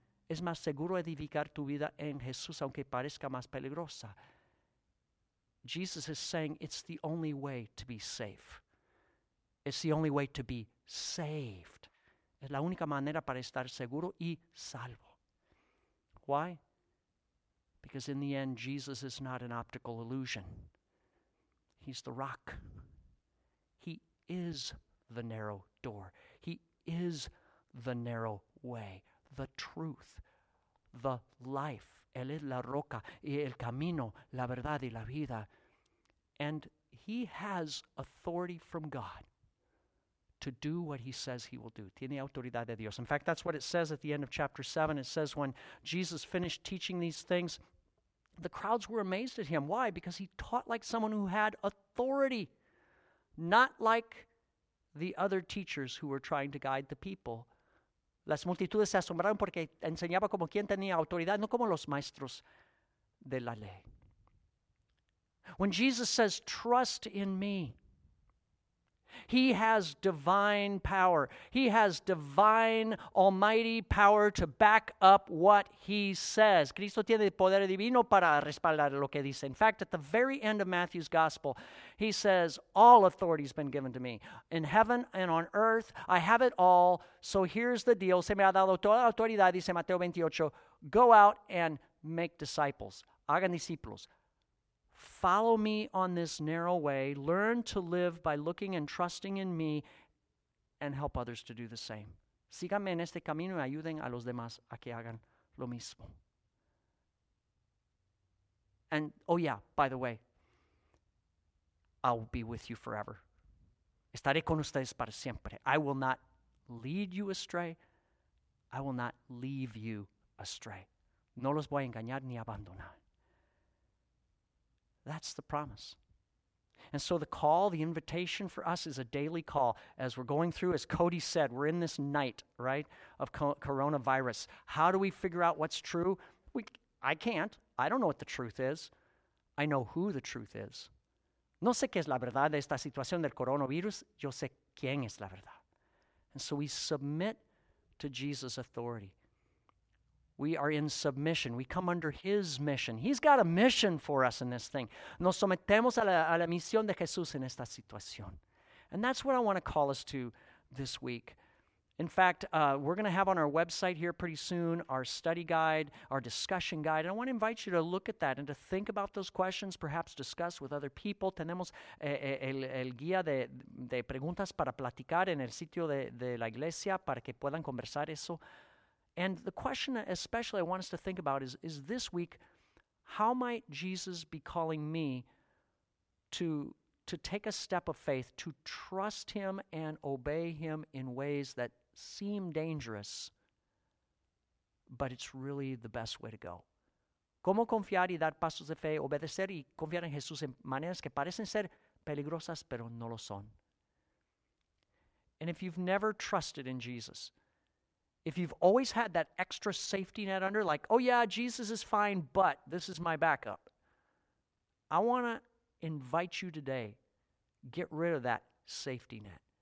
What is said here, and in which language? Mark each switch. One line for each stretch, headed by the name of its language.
Spanish: Es más seguro edificar tu vida en Jesús, aunque parezca más peligrosa.
English: Jesus is saying it's the only way to be safe. It's the only way to be saved.
Spanish: Es la única manera para estar seguro y salvo.
English: Why? Because in the end, Jesus is not an optical illusion. He's the rock. He is the narrow door. He is the narrow way, the truth, the life.
Spanish: Él es la roca, y el camino, la verdad y la vida.
English: And he has authority from God to do what he says he will do.
Spanish: Tiene autoridad de Dios.
English: In fact, that's what it says at the end of chapter 7. It says when Jesus finished teaching these things, the crowds were amazed at him. Why? Because he taught like someone who had authority, not like the other teachers who were trying to guide the people.
Spanish: Las multitudes se asombraron porque enseñaba como quien tenía autoridad, no como los maestros de la ley.
English: When Jesus says, trust in me, He has divine power. He has divine, almighty power to back up what he says.
Spanish: Cristo tiene poder divino para respaldar lo que dice.
English: In fact, at the very end of Matthew's gospel, he says, all authority has been given to me. In heaven and on earth, I have it all. So here's the deal.
Spanish: Se me ha dado toda autoridad, dice Mateo 28.
English: Go out and make disciples.
Spanish: Hagan discípulos.
English: Follow me on this narrow way. Learn to live by looking and trusting in me and help others to do the same.
Spanish: Síganme en este camino y ayuden a los demás a que hagan lo mismo.
English: And, oh yeah, by the way, I'll be with you forever.
Spanish: Estaré con ustedes para siempre.
English: I will not lead you astray. I will not leave you astray.
Spanish: No los voy a engañar ni abandonar.
English: That's the promise. And so the call, the invitation for us is a daily call. As we're going through, as Cody said, we're in this night, right, of coronavirus. How do we figure out what's true? I can't. I don't know what the truth is. I know who the truth is.
Spanish: No sé qué es la verdad de esta situación del coronavirus. Yo sé quién es la verdad.
English: And so we submit to Jesus' authority. We are in submission. We come under his mission. He's got a mission for us in this thing.
Spanish: Nos sometemos a la misión de Jesús en esta situación.
English: And that's what I want to call us to this week. In fact, we're going to have on our website here pretty soon our study guide, our discussion guide. And I want to invite you to look at that and to think about those questions, perhaps discuss with other people.
Spanish: Tenemos el guía de preguntas para platicar en el sitio de la iglesia para que puedan conversar eso.
English: And the question especially I want us to think about is this week, how might Jesus be calling me to take a step of faith, to trust him and obey him in ways that seem dangerous, but it's really the best way to go?
Spanish: ¿Cómo confiar y dar pasos de fe, obedecer y confiar en Jesús en maneras que parecen ser peligrosas, pero no lo son?
English: And if you've never trusted in Jesus, if you've always had that extra safety net under, like, oh yeah, Jesus is fine, but this is my backup, I want to invite you today, get rid of that safety net.